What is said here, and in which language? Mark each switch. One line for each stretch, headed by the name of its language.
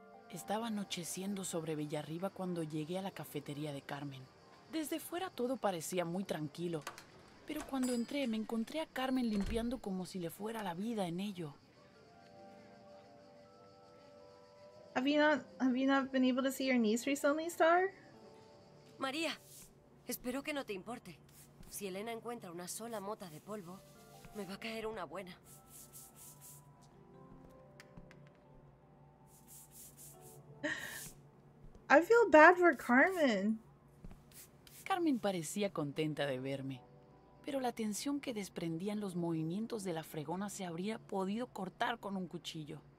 Spanish: Estaba anocheciendo sobre Villarriba cuando llegué a la cafetería de Carmen. Desde fuera todo parecía muy tranquilo, pero cuando entré me encontré a Carmen limpiando como si le fuera la vida en ello.
English: Have you not been able to see your niece recently, Star?
Spanish: María, espero que no te importe. Si Elena encuentra una sola mota de polvo, me va a caer una buena.
English: I feel bad for Carmen.
Spanish: Carmen parecía contenta de verme, pero la tensión que desprendían los movimientos de la fregona se habría podido cortar con un cuchillo.